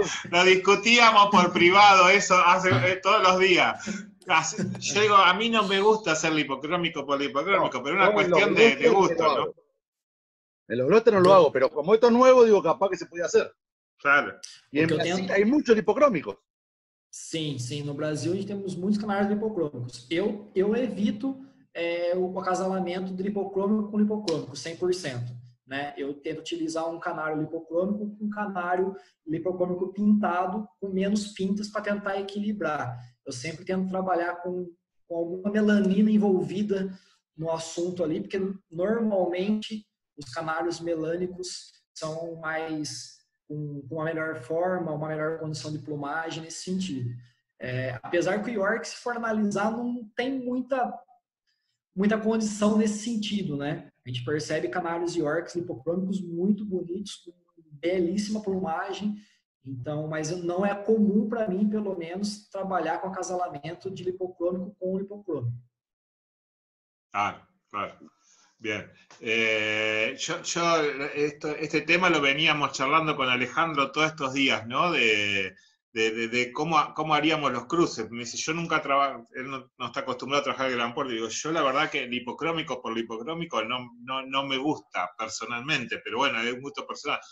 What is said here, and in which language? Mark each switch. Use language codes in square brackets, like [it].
[es] lo discutíamos por privado, eso, hace todos los días. Yo digo, a mí no me gusta ser lipocrómico por lipocrómico, pero es una cuestión de gusto, ¿no? En los lotes no lo hago, pero como esto es nuevo, digo, capaz que se puede hacer. Claro. Y en Brasil hay muchos lipocrómicos. [pt] Sim, no Brasil a gente temos muitos canários hipocrômicos. Eu evito o acasalamento do hipocrômico com hipocrômico, 100%. Né? Eu tento utilizar um canário hipocrômico com um canário hipocrômico pintado com menos pintas para tentar equilibrar. Eu sempre tento trabalhar com alguma melanina envolvida no assunto ali, porque normalmente os canários melânicos são mais... com uma melhor forma, uma melhor condição de plumagem nesse sentido. É, apesar que o York, se for analisar, não tem muita condição nesse sentido, né? A gente percebe canários Yorks hipocrômicos muito bonitos, com belíssima plumagem, então, mas não é comum para mim, pelo menos, trabalhar com acasalamento de hipocrômico com hipocrômico. Claro. [es] Bien, yo este tema lo veníamos charlando con Alejandro todos estos días, ¿no? De cómo haríamos los cruces. Me dice, yo nunca trabajo, él no está acostumbrado a trabajar el gran porte. Digo, yo la verdad que el hipocrómico por lo hipocrómico no me gusta personalmente, pero bueno, es un gusto personal.